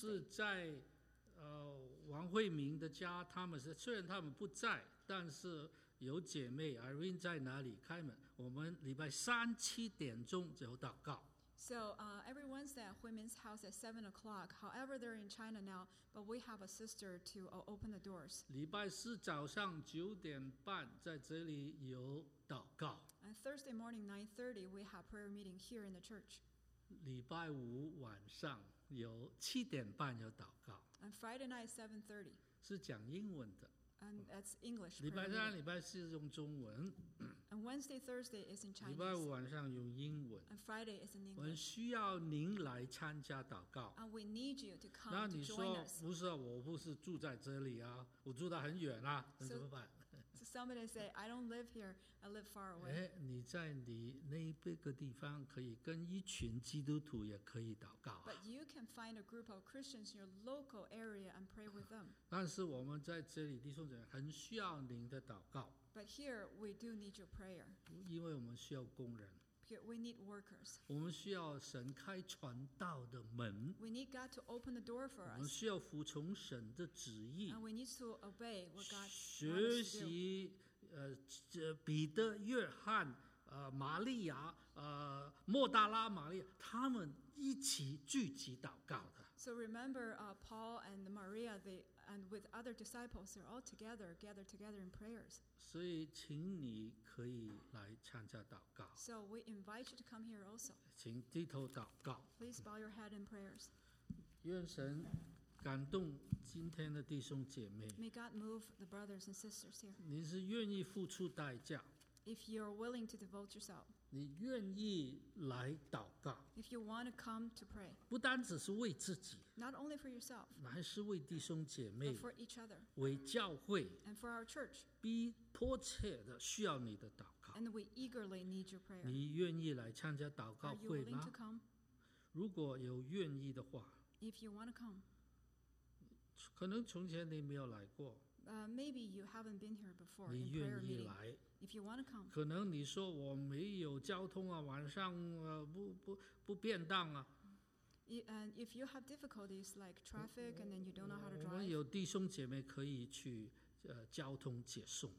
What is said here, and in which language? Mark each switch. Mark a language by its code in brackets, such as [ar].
[zh] 是在王慧明的家，他们是虽然他们不在，但是有姐妹 Irene 在哪里开门。我们礼拜三7点就有祷告。 [en] So every Wednesday at Hui Min's house at 7 o'clock. However, they're in China now, but we have a sister to open the doors. [zh] 礼拜四早上9:30在这里有祷告。 [en] And Thursday morning 9:30, we have prayer meeting here in the church. [zh] 礼拜五晚上有7:30有祷告。 [en] And Friday night 7:30. [zh] 是讲英文的。 [en] And that's English. [zh] 礼拜三、礼拜四用中文。 [en] And Wednesday, Thursday is in Chinese. [zh] 礼拜五晚上用英文。 [en] And Friday is in English. [zh] 我们需要您来参加祷告。 [en] And we need you to come. [zh] 那你说不是啊？我不是住在这里啊，我住得很远啊，那怎么办 [en] ？So somebody say, I don't live here. I live far away. [zh] 你在你那个地方可以跟一群基督徒也可以祷告、啊。 [en] But you can find a group of Christians in your local area and pray with them. [zh] 但是我们在这里弟兄姐妹很需要您的祷告。 [en] But here we do need your prayer. [zh] 因为我们需要工人。 [en] Because we need workers. [zh] 我们需要神开传道的门。 [en] We need God to open the door for us. [zh] 我们需要服从神的旨意。 [en] And we need to obey what God wants to do. [zh] 学习彼得、约翰、玛利亚、莫大拉玛利亚，他们一起聚集祷告的。 [en] So remember Paul and Maria, and with other disciples, they're all together, gathered together in prayers. [zh] 所以请你可以来参加祷告。 [en] So we invite you to come here also. [zh] 请低头祷告。 [en] Please bow your head in prayers. [zh] 愿神感动今天的弟兄姐妹。 [en] May God move the brothers and sisters here. [zh] 你是愿意付出代价。 [en] If you're willing to devote yourself. [zh] 你愿意来祷告， [en] if you want to come to pray， [zh] 不单只是为自己， [en] not only for yourself， [zh] 乃是为弟兄姐妹， [en] but for each other， [zh] 为教会， [en] and for our church， [zh] 必迫切的需要你的祷告， [en] and we eagerly need your prayer。 [zh] 你愿意来参加祷告会吗？ [en] Are you willing to come？ [zh] 如果有愿意的话， [en] if you want to come， [zh] 可能从前你没有来过。 [en] Maybe you haven't been here before. [zh] 你愿意来？ [en] If you want to come， [zh] 可能你说我没有交通啊，晚上啊不便当啊。 [en] And if you have difficulties like traffic, and then you don't know how to drive， [zh] 我们有弟兄姐妹可以去交通接送。